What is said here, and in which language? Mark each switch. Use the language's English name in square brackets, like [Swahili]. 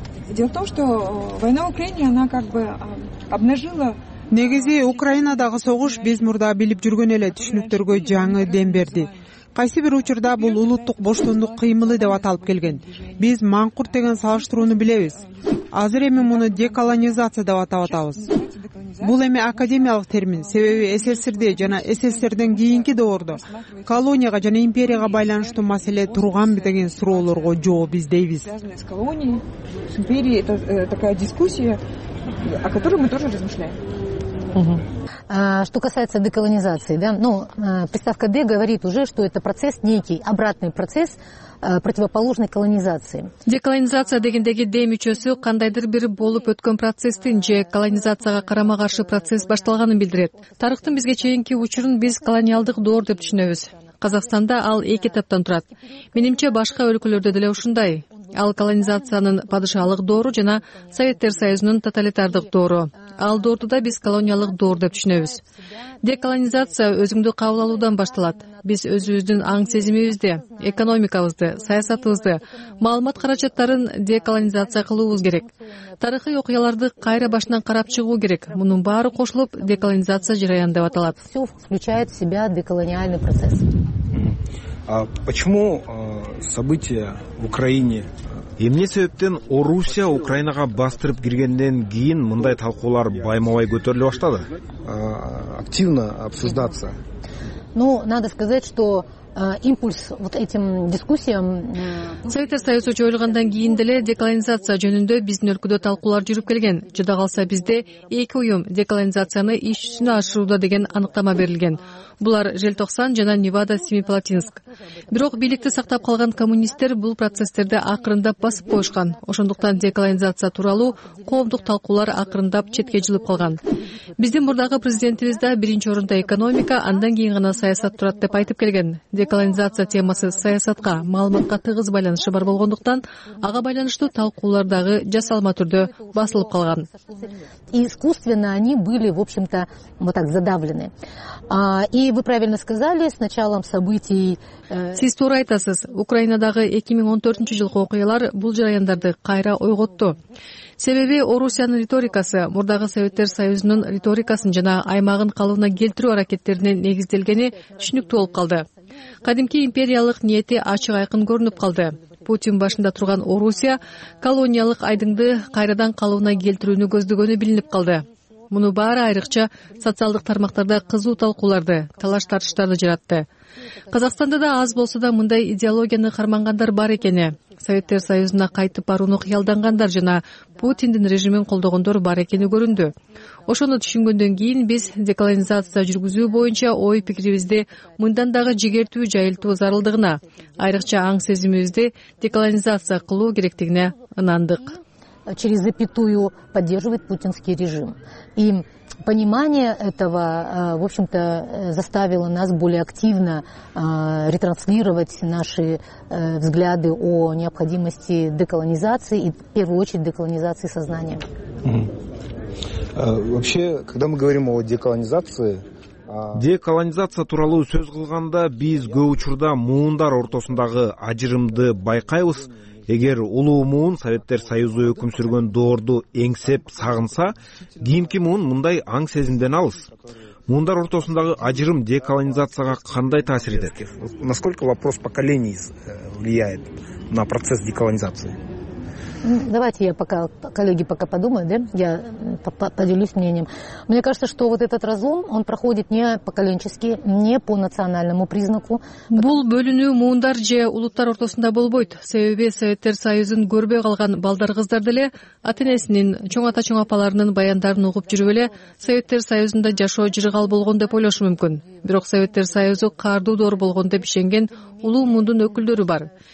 [Russian] Дело в том, что война в Украине, она как бы обнажила. [Kyrgyz] Негизи Украинадагы согуш биз мурда билип жүргөн эле түшүнүктөргө жаңы дем берди. Кайсы бир учурда бул улуттук боштондук кыймылы деп аталып келген. Биз маңкурт деген салыштырууну билебиз. Азыр эми муну деколонизация деп атап атабыз. Бул эми академиялык термин, себеби СССРде жана СССРден кийинки доордо колонияга жана империяга байланыштуу маселе турган деген суроолорго жооп издейбиз. [Russian] Империя — это такая дискуссия, о которой мы тоже размышляем. Что касается деколонизации, да, ну, приставка «де» говорит уже, что это процесс некий, обратный процесс противоположной колонизации. [Kyrgyz] Деколонизация дегендеги «де» мүчөсү кандайдыр бир болуп өткөн процесстин же колонизацияга карама-каршы процесс башталганын билдирет. Тарыхтын бизге чейинки учурун биз колониялдык доор деп түшүнөбүз. Казакстанда ал эки этаптан турат. Менимче башка өлкөлөрдө деле ушундай. Ал колонизациянын падышалык доору жана Советтер Союзунун тоталитардык доору. Ал доорду да биз колониялык доор деп түшүнөбүз. Деколонизация өзүңдү кабыл алуудан башталат. Биз өзүбүздүн аң сезимибизди, экономикабызды, саясатыбызды, маалымат каражаттарын деколонизация кылуубуз керек. Тарыхый окуяларды кайра башынан карап чыгуу керек. Мунун баары кошулуп деколонизация жараяны деп аталат. [Russian] Все включает в себя деколониальный процесс. А почему события в Украине? [Kyrgyz] Эмне себептен Орусия Украинага бастырып киргенден кийин мындай талкуулар байма-бай көтөрүлө баштады? [Russian] Активно обсуждаться. Ну, надо сказать, что импульс вот этим дискуссиям. [Kyrgyz] Советтер Союзу жоюлгандан кийин деле деколонизация жөнүндө биздин өлкөдө талкуулар жүрүп келген. Жада калса, бизде эки уюм деколонизацияны иш жүзүнө ашырууда деген аныктама берилген. Булар Желтоксан жана Невада Семипалатинск. Бирок бийликти сактап калган коммунисттер бул процесстерди акырындап басып коюшкан. Ошондуктан деколонизация тууралуу коомдук талкуулар акырындап четке жылып калган. Биздин мурдагы президентибиз да биринчи орунда экономика, андан кийин гана саясат турат деп айтып келген. Деколонизация темасы саясатка, маалыматка тыгыз байланышы бар болгондуктан, ага байланыштуу талкуулар дагы жасалма түрдө басылып калган. [Russian] Искусственно они были, в общем-то, вот так задавлены. И вы правильно сказали, с началом событий... [Kyrgyz] Сиз туура айтасыз. Украинадагы 2014 жылкы окуялар бул жараяндарды кайра ойготту. Себеби Орусиянын риторикасы мурдагы Советтер Союзунун риторикасын жана аймагын калыбына келтирүү аракеттерине негизделгени түшүнүктүү болуп калды. Кадимки империялык ниети ачык айкын көрүнүп калды. Путин башында турган Орусия колониялык айдыңды кайрадан калыбына келтирүүнү көздөгөнү билинип калды. Муну баары айрыкча социалдык тармактарда кызуу талкууларды, талаш тартыштарды жаратты. Казакстанда да аз болсо да мындай идеологияны кармангандар бар экени. Советтер Союзуна кайтып барууну кыялдангандар жана Путиндин режимин колдогондор бар экени көрүндү. Ошону түшүнгөндөн кийин биз деколонизация жүргүзүү боюнча ой пикирибизди мындан дагы жигертүү жайылтуу зарылдыгына, айрыкча аң сезимибизди деколонизация кылуу керектигине ынандык. [Russian] Через запятую поддерживает путинский режим. И понимание этого, в общем-то, заставило нас более активно ретранслировать наши взгляды о необходимости деколонизации и, в первую очередь, деколонизации сознания. Вообще, когда мы говорим о деколонизации... [Kyrgyz] Деколонизация туралуу сөз кылганда, биз көп учурда муундар ортосундагы ажырымды байкайбыз. Эгер улуу муун Советтер Союзу өкүм сүргөн доорду эңсеп сагынса, кийинки муун мындай аң сезимден алыс. Муундар ортосундагы ажырым деколонизацияга кандай таасир этет? [Russian] Насколько вопрос поколений влияет на процесс деколонизации? Давайте я пока, коллеги, пока подумаю, да? Я поделюсь мнением. Мне кажется, что вот этот разлом, он проходит не поколенчески, не по национальному признаку. [Kyrgyz] Бул бөлүнүү муундар же улуттар ортосунда болбойт. Себеби Советтер Союзун көрбөй калган балдар-кыздар деле ата-энесинин, чоң ата-чоң апаларынын баяндарын угуп жүрүп эле Советтер Союзунда жашоо жыргал болгон деп ойлошу мүмкүн. Бирок Советтер Союзу каардуу доор болгон деп ишенген улуу муундун өкүлдөрү бар.